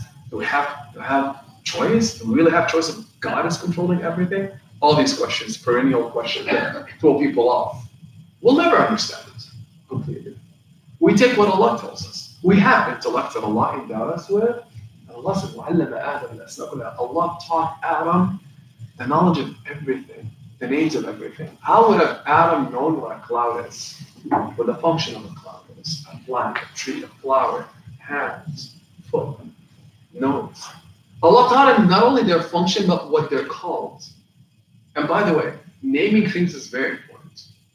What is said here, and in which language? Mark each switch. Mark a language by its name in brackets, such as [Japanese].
[English] Do we have choice? Do we really have choice if God is controlling everything? All these questions, perennial questions that throw people off. We'll never understand it completely. We take what Allah tells us. We have intellect that Allah endowed us with. Allah said, [Arabic] وَعَلَّمَ آدَمَ الْأَسْمَاءَ كُلَّهَا. [English] Allah taught Adam the knowledge of everything, the names of everything. How would have Adam known what a cloud is, what the function of a cloud is? A plant, a tree, a flower, hands, foot, nose. Allah taught him not only their function, but what they're called. And by the way, naming things is very important.